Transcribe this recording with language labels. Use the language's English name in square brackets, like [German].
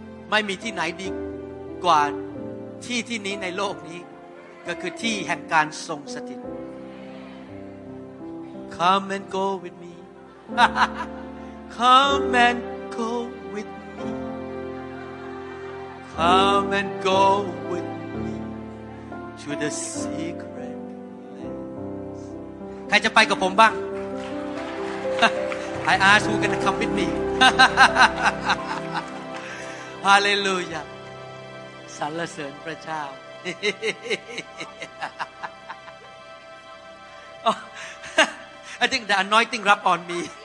[Thai] ไม่มีที่ไหนดีกว่าที่ที่นี้ในโลกนี้ก็คือที่แห่งการทรงสถิต [English] Come and go with me [Thai] Come andGo with me. [English] Come and go with me to the secret place. [Thai] ใครจะไปกับผมบ้าง [English] I ask who gonna come with me. Hallelujah. [Thai] สรรเสริญพระเจ้า [English] I think the anointing rub on me.